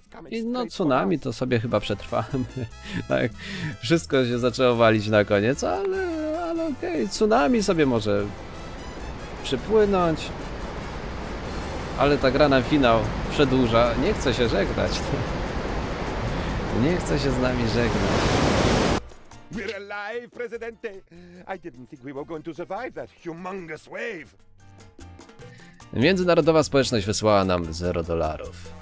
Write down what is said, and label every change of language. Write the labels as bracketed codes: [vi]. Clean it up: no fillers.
[pl] I no, tsunami to sobie chyba przetrwamy. Tak, wszystko się zaczęło walić na koniec, ale okej, tsunami sobie może przypłynąć. Ale ta gra nam finał przedłuża. Nie chce się żegnać. Nie chce się z nami żegnać. [en] We're alive, Presidente. I didn't think we were going to survive that humongous wave. [pl] Międzynarodowa społeczność wysłała nam 0 dolarów.